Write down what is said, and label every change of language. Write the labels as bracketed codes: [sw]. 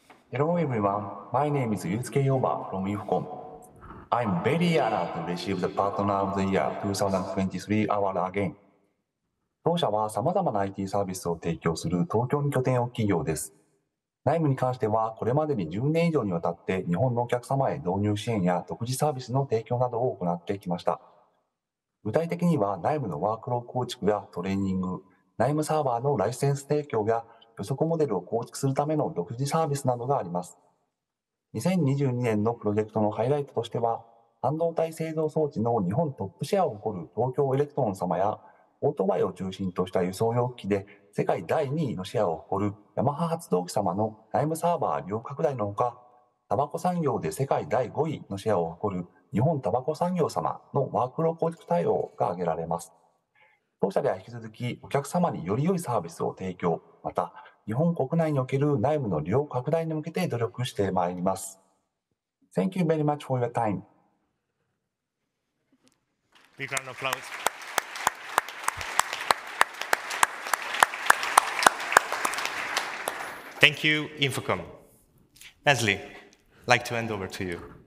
[en] Hello everyone, my name is Yusuke Yoma from Infocom. I'm very honored to receive the Partner of the Year 2023 award again. [ja] 当社は様々な IT サービスを提供する東京に拠点を置く企業です。 KNIME に関してはこれまでに10年以上にわたって日本のお客様へ導入支援や独自サービスの提供などを行ってきました。具体的には KNIME のワークロー構築やトレーニング、KNIME サーバーのライセンス提供や予測モデルを構築するための独自サービスなどがあります。 2022年のプロジェクトのハイライトとしては、半導体製造装置の日本トップシェアを誇る東京エレクトロン様や、オートバイを中心とした輸送用機器で世界第2位のシェアを誇るヤマハ発動機様の KNIME サーバー利用拡大のほか、タバコ産業で世界第5位のシェアを誇る日本タバコ産業様のワークロー構築対応が挙げられます。当社では引き続きお客様により良いサービスを提供、また日本国内における KNIME の利用拡大に向けて努力してまいります。 [en] Thank you very much for your time. Big round of applause. Thank you, Infocom. Leslie, I'd like to hand over to you.